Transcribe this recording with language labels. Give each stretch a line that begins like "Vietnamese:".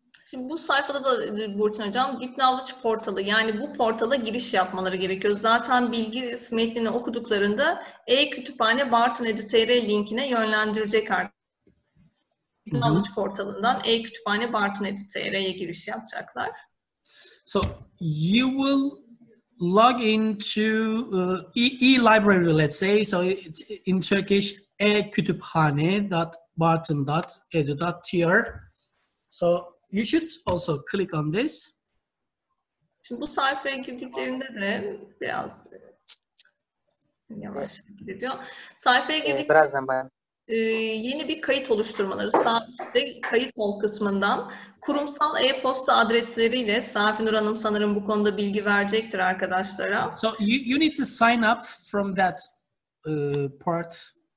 Turkish: Şimdi bu sayfada da Burçin Hocam, DeepKnowledge portalı, yani bu portala giriş yapmaları gerekiyor. Zaten bilgi metnini okuduklarında e-kütüphane Bartın.edu.tr linkine yönlendirecek artık. Knowledge portalından e-kütüphane Bartın.edu.tr'ye giriş yapacaklar.
English: So you will log into e-library, let's say. So it's in Turkish e-kütüphane.bartın.edu.tr. So you should also click on this.
Turkish: Şimdi bu sayfaya girdiklerinde de biraz yavaş gidiyor. Sayfaya girdik. Birazdan bayan. yeni bir kayıt oluşturmaları. Safi'de kayıt ol kısmından kurumsal e-posta adresleriyle Safi Nur Hanım sanırım bu konuda bilgi verecektir arkadaşlara.
English: So you need to sign up from that part.